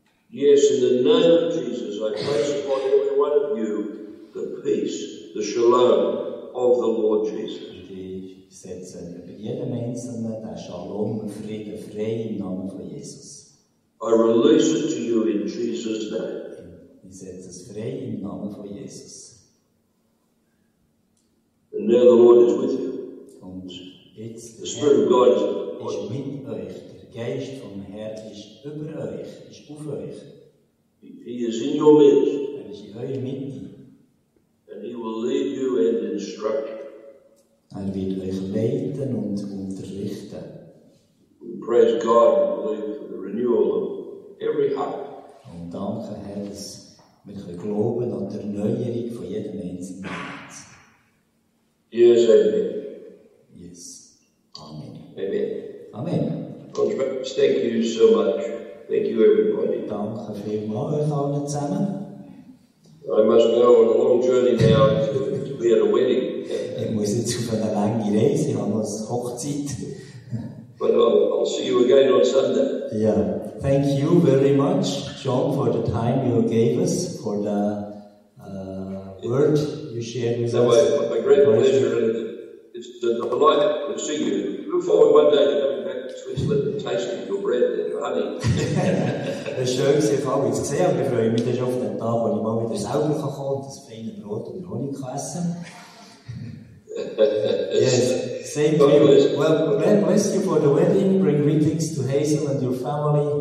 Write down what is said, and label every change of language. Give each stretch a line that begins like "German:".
English: Yes, in the name of Jesus, I place upon every one of you the peace, the shalom of the Lord Jesus.
German: Und ich setze über jedem Einzelnen den Shalom, Frieden, frei im Namen von Jesus.
English: I release it to you in Jesus' name.
German: Ich setze es frei im Namen von Jesus.
English: And now the Lord is with you.
German: Und jetzt
English: the Spirit of God
German: ist mit euch. Der Geist vom Herrn ist über euch, ist auf euch.
English: He is in your midst.
German: Er ist in eurer Mitte.
English: And he will lead you and instruct
German: you. Er wird euch leiten und unterrichten.
English: We praise God and believe for the renewal of every heart.
German: Und danke, Herr, dass wir können glauben an die Erneuerung von jedem einzelnen Herz.
English: Yes, amen. Yes, amen. Amen. Amen. Contracts, thank you so much. Thank you, everybody.
German: Danke vielmals euch allen zusammen.
English: I must go on a long journey now to be at a wedding.
German: Ich muss jetzt auf eine lange Reise, ich habe noch eine Hochzeit.
English: But I'll see you again on Sunday. Yeah. Thank you very much, John, for the time you gave us, for the word you shared with us. My great pleasure, and it's a delight to see you. Look forward one day to coming back to Switzerland and tasting your bread and your honey.
German: Das Schönste Frage, ich sehe und freue mich schon auf den Tag, wo ich mal wieder selber kommen kann und das feine Brot und Honig essen.
English: Yes, same to you. Well, God bless you for the wedding. Bring greetings to Hazel and your family.